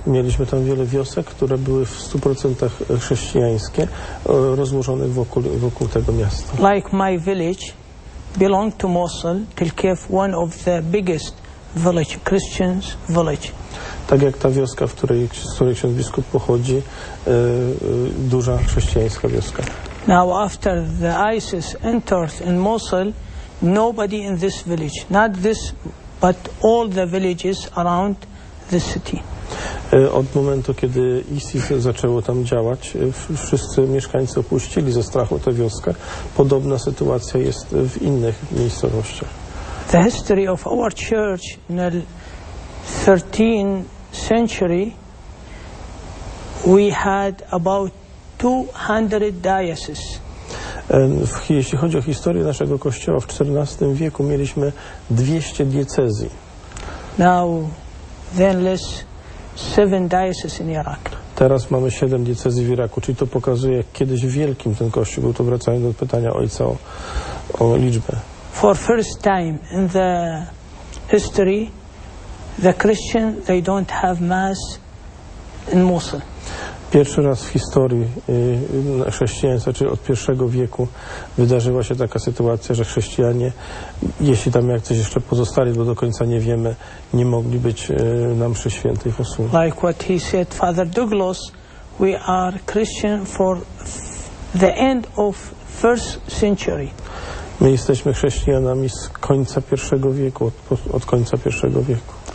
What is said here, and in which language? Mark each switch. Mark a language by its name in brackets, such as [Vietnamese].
[Polish] Mieliśmy tam wiele wiosek, które były w 100% chrześcijańskie, rozłożone wokół tego miasta. [English] Like my village belong to Mosul, Tilkef, one of the biggest village, Christians village. [Polish] Tak jak ta wioska, z której ksiądz biskup pochodzi, duża chrześcijańska wioska. [English] Now after the ISIS entered in Mosul, nobody in this village, not this, but all the villages around the city. [Polish] Od momentu, kiedy ISIS zaczęło tam działać, wszyscy mieszkańcy opuścili ze strachu tę wioskę. Podobna sytuacja jest w innych miejscowościach. [English] The history of our church in the 13th century, we had about 200 dioceses. [Polish] Jeśli chodzi o historię naszego kościoła, w XIV wieku mieliśmy 200 diecezji. [English] Now, then less 7 dioceses in Iraq. [Polish] Teraz mamy 7 diecezji w Iraku, czyli to pokazuje, jak kiedyś wielkim ten kościół był. To wracając do pytania ojca o liczbę. [English] For first time in the history, the Christian, they don't have mass in Mosul. [Polish] Pierwszy raz w historii chrześcijaństwa, czyli od pierwszego wieku, wydarzyła się taka sytuacja, że chrześcijanie, jeśli tam jak coś jeszcze pozostali, bo do końca nie wiemy, nie mogli być na mszy świętej posłów. [English] Like what he said, Father Douglas, we are Christian for the end of first century. [Polish] My jesteśmy chrześcijanami z końca pierwszego wieku, od końca pierwszego wieku.